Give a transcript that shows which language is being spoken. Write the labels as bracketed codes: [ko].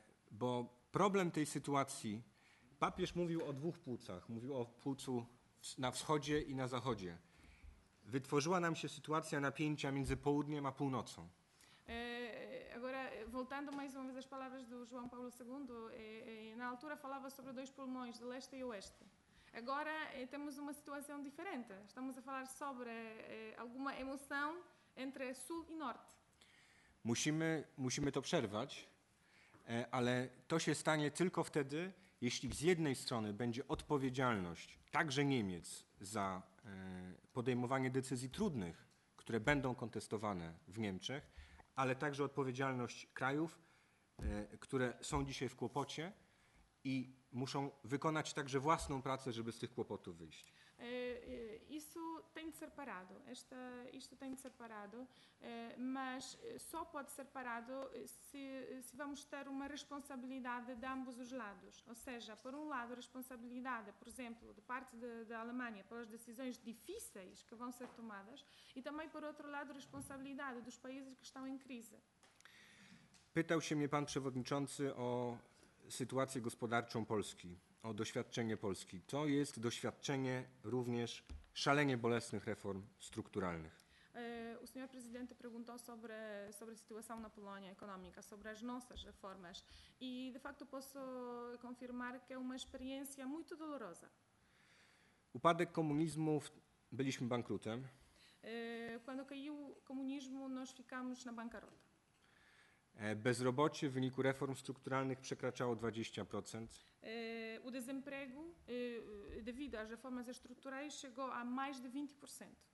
[pl] Bo problem tej sytuacji, papież mówił o dwóch płucach, mówił o płucu na wschodzie i na zachodzie. Wytworzyła nam się sytuacja napięcia między południem a północą. [pt] Agora, voltando mais uma vez às palavras do João Paulo II, na altura falava sobre dois pulmões, do leste e oeste. Agora temos uma situação diferente. Estamos a falar sobre alguma emoção entre sul e norte. [pl] Musimy to przerwać, ale to się stanie tylko wtedy, jeśli z jednej strony będzie odpowiedzialność także Niemiec za podejmowanie decyzji trudnych, które będą kontestowane w Niemczech, ale także odpowiedzialność krajów, które są dzisiaj w kłopocie i muszą wykonać także własną pracę, żeby z tych kłopotów wyjść. [pt] Isso tem de ser parado. Isto tem de ser parado, mas só pode ser parado se vamos ter uma responsabilidade de ambos os lados. Ou seja, por lado, responsabilidade, por exemplo, de parte da Alemanha pelas decisões difíceis que vão ser tomadas e também, por outro lado, responsabilidade dos países que estão em crise. [pl] Pytał się mnie pan przewodniczący o sytuację gospodarczą Polski. O doświadczenie Polski. To jest doświadczenie również szalenie bolesnych reform strukturalnych. [pt] O senhor presidente perguntou sobre a situação na Polónia económica, sobre as nossas reformas. I de facto posso confirmar que é uma experiência muito dolorosa. [pl] Upadek komunizmu, byliśmy bankrutem. [pt] Quando caiu o comunismo, nós ficamos na bankrota. [pl] Bezrobocie w wyniku reform strukturalnych przekraczało 20%. [pt] O desemprego, devido às reformas estruturais, chegou a mais de 20%.